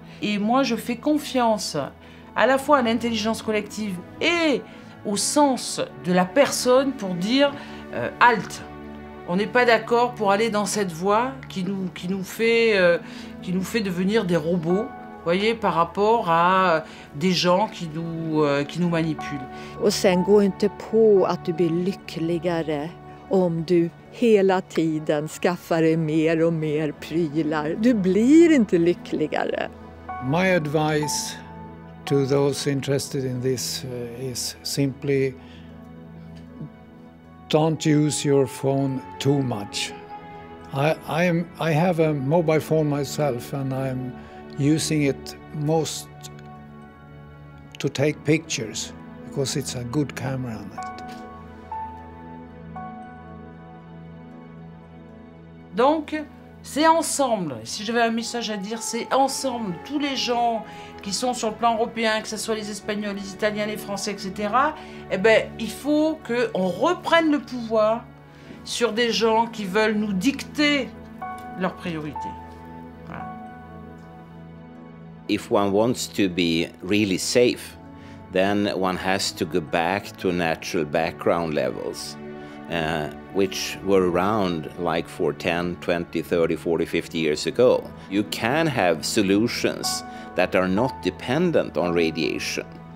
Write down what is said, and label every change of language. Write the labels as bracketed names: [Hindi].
[French] Et moi, je fais confiance à la fois à l'intelligence collective et au sens de la personne pour dire halt. On n'est pas d'accord pour aller dans cette voie qui nous fait devenir des robots, voyez, par rapport à des gens qui nous manipulent. [Swedish] Och sen gå inte på att du blir lyckligare om du hela tiden skaffar dig mer och mer prylar. Du blir inte lyckligare. [English] My advice to those interested in this is simply don't use your phone too much. I have a mobile phone myself and I'm using it most to take pictures because it's a good camera on it. [French] Donc c'est ensemble, si j'avais un message à dire, c'est ensemble, tous les gens qui sont sur le plan européen, que ce soit les Espagnols, les Italiens, les Français, etc., eh ben, il faut qu'on reprenne le pouvoir sur des gens qui veulent nous dicter leurs priorités. Voilà. [English] If one wants to be really safe, then one has to go back to natural background levels. Which were around like for 10, 20, 30, 40, 50 years ago. You can have solutions that are not dependent on radiation.